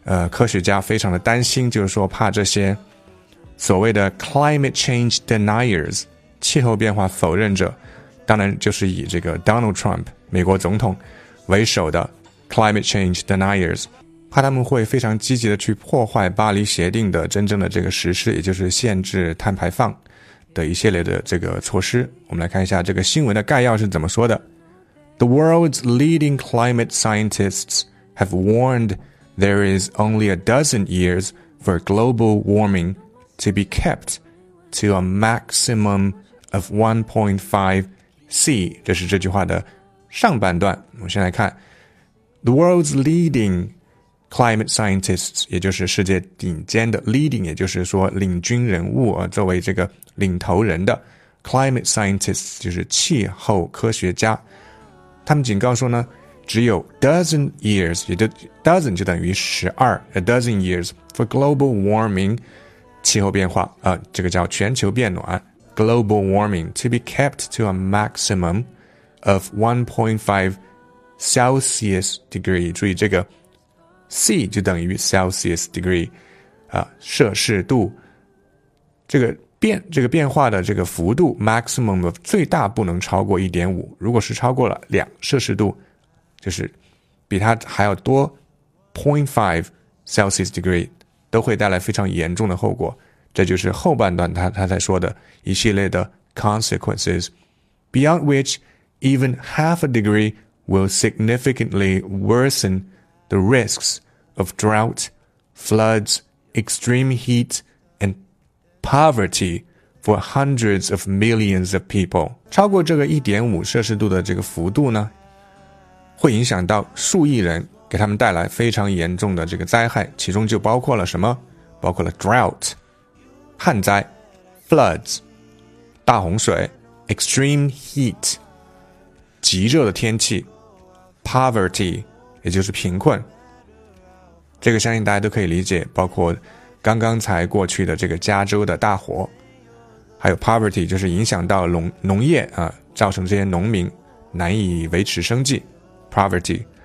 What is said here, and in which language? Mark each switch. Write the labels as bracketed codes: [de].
[zh] 科学家非常的担心，就是说怕这些所谓的 [en] climate change deniers， [zh] 气候变化否认者，当然就是以这个 Donald Trump 美国总统为首的 climate change deniers，怕他们会非常积极的去破坏巴黎协定的真正的这个实施，也就是限制碳排放的一系列的这个措施。我们来看一下这个新闻的概要是怎么说的。 [en] The world's leading climate scientists have warned there is only a dozen years for global warming to be kept to a maximum of 1.5°C. [zh] 这是这句话的上半段。我们先来看 [en] The world's leadingClimate scientists， [zh] 也就是世界顶尖的 leading， 也就是说领军人物啊，作为这个领头人的 climate scientists， 就是气候科学家，他们警告说呢，只有 dozen years， 也就 dozen 就等于12 [en] a dozen years for global warming， [zh] 气候变化这个叫全球变暖 [en] global warming to be kept to a maximum of 1.5°C degree。 [zh] 注意这个C 就等于 Celsius degree， 摄氏度，这个变化的这个幅度 maximum of 最大不能超过 1.5， 如果是超过了2摄氏度，就是比它还要多 0.5°C degree， 都会带来非常严重的后果。这就是后半段他才说的一系列的 [en] consequences， beyond which even half a degree will significantly worsenThe risks of drought, floods, extreme heat, and poverty for hundreds of millions of people. [zh] 超过这个 1.5 摄氏度的这个幅度呢，会影响到数亿人，给他们带来非常严重的这个灾害，其中就包括了什么？包括了 drought 旱灾 floods 大洪水 extreme heat 极热的天气 poverty 也就是贫困，这个相信大家都可以理解，包括刚刚才过去的这个加州的大火，还有 poverty 就是影响到 农业、造成这些农民难以维持生计 poverty。